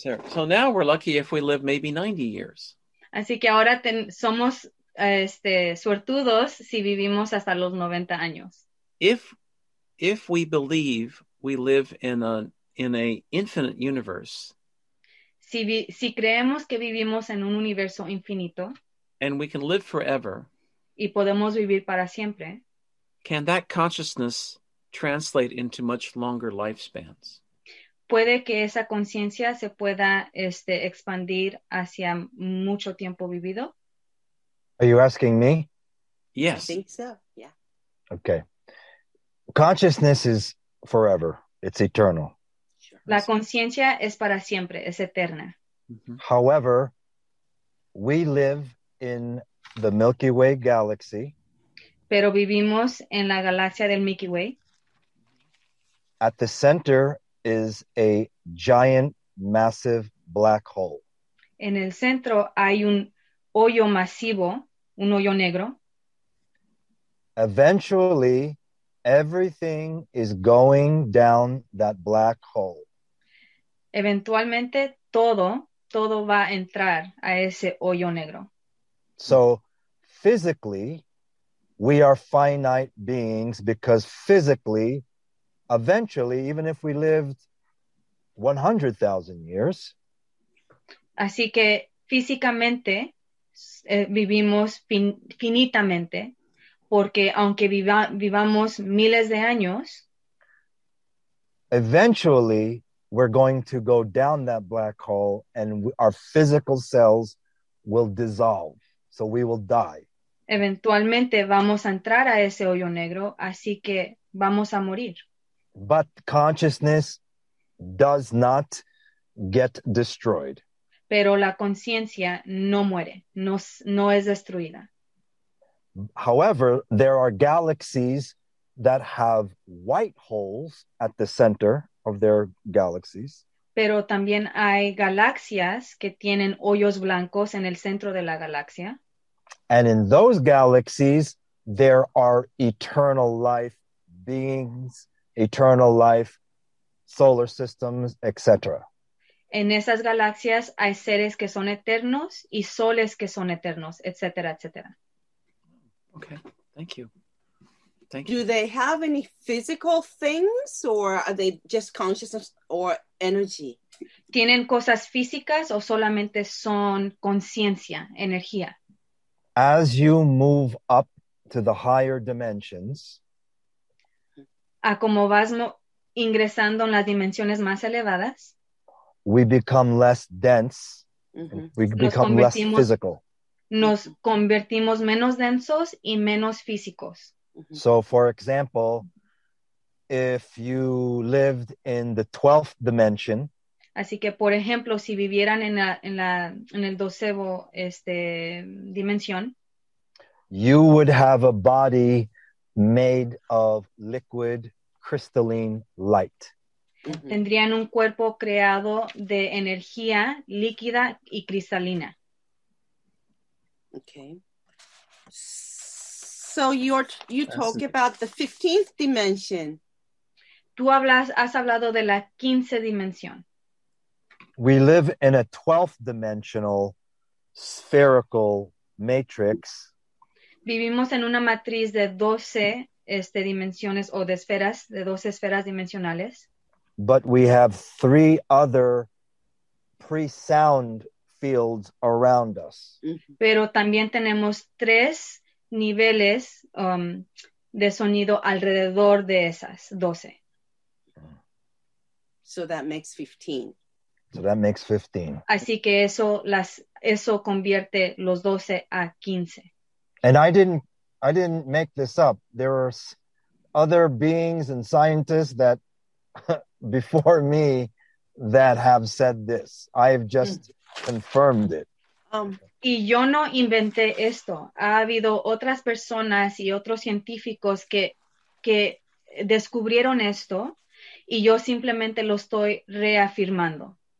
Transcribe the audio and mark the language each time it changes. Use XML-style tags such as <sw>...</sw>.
<en>So now we're lucky if we live maybe 90 years.</en> <es>Así que ahora somos suertudos si vivimos hasta los 90 años.</es> <en>If we believe we live in a infinite universe.</en> <es>Si creemos que vivimos en un universo infinito.</es> <en>And we can live forever.</en> <es>Y podemos vivir para siempre.</es> <en>Can that consciousness translate into much longer lifespans?</en> <es>Puede que esa conciencia se pueda expandir hacia mucho tiempo vivido.</es> <en>Are you asking me? Yes. I think so, yeah. Okay. Consciousness is forever. It's eternal. Sure.</en> <es>La conciencia es para siempre, es eterna. Mm-hmm.</es> <en>However, we live in the Milky Way galaxy.</en> <es>Pero vivimos en la galaxia del Milky Way.</es> <en>At the center is a giant, massive black hole.</en> <es>En el centro hay un hoyo masivo, un hoyo negro.</es> <en>Eventually, everything is going down that black hole.</en> <es>Eventualmente, todo va a entrar a ese hoyo negro.</es> <en>So, physically, we are finite beings because physically, eventually, even if we lived 100,000 years.</en> <es>Así que físicamente vivimos finitamente, porque aunque vivamos miles de años,</es> <en>eventually we're going to go down that black hole and our physical cells will dissolve. So we will die.</en> <es>Eventualmente vamos a entrar a ese hoyo negro, así que vamos a morir.</es> <en>But consciousness does not get destroyed.</en> <es>Pero la conciencia no muere, no es destruida.</es> <en>However, there are galaxies that have white holes at the center of their galaxies.</en> <es>Pero también hay galaxias que tienen hoyos blancos en el centro de la galaxia.</es> <en>And in those galaxies, there are eternal life beings, eternal life solar systems, etc.</en> <es>En esas galaxias hay seres que son eternos y soles que son eternos, etc., etc.</es> <en>Okay, thank you. Thank Do you. Do they have any physical things or are they just consciousness or energy?</en> <es>¿Tienen cosas físicas o solamente son conciencia, energía?</es> <en>As you move up to the higher dimensions,</en> <es>a como vas ingresando en las dimensiones más elevadas,</es> <en>we become less dense. Mm-hmm. We become less physical.</en> <es>Nos convertimos menos densos y menos físicos. Mm-hmm.</es> <en>So, for example, if you lived in the 12th dimension,</en> <es>así que por ejemplo, si vivieran en el doceavo dimensión,</es> <en>you would have a body made of liquid crystalline light.</en> <es>Tendrían un cuerpo creado de energía líquida y cristalina.</es> <en>Okay. So you talk about the 15th dimension.</en> <es>Has hablado de la 15th dimensión.</es> <en>We live in a 12th dimensional spherical matrix.</en> <es>Vivimos en una matriz de 12 dimensiones o de esferas, de 12 esferas dimensionales.</es> <en>But we have three other pre-sound fields around us.</en> <es>Pero también tenemos tres niveles de sonido alrededor de esas 12.</es> <en>So that makes 15. So that makes 15.</en> <es>Así que eso convierte los 12 a 15.</es> <en>And I didn't make this up. There are other beings and scientists that before me that have said this. I've just confirmed it.</en> <es>Y yo no inventé esto. Ha habido otras personas y otros científicos que descubrieron esto y yo simplemente lo estoy reafirmando.</es>